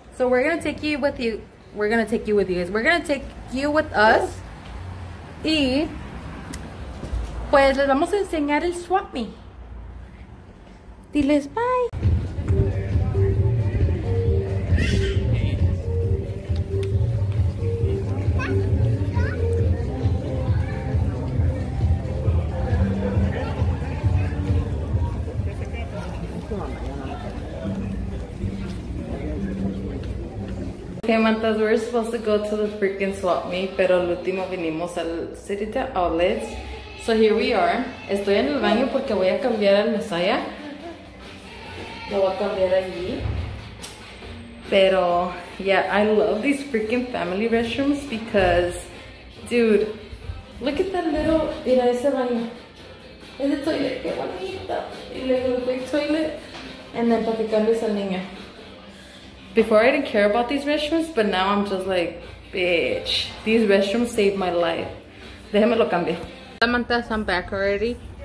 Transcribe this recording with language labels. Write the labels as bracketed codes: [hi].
[en] So we're gonna take you with you. We're gonna take you with you guys. We're gonna take you with us. [es] Y pues les vamos a enseñar el swap meet. Diles bye. [en] Okay, mantas, we're supposed to go to the freaking swap meet, [es] pero el último vinimos al [en] City Town Outlets. So here we are. [es] Estoy en el baño porque voy a cambiar al Messiah. Lo voy a cambiar allí. Pero, [en] yeah, I love these freaking family restrooms because, dude, look at that little, [es] mira ese baño. Ese toilet, qué bonito. Y luego el big toilet. [en] And then [es] para que cambies al niño. [en] Before I didn't care about these restrooms, but now I'm just like, bitch, these restrooms saved my life. [es] Déjame lo cambio. [en] La manta, I'm back already.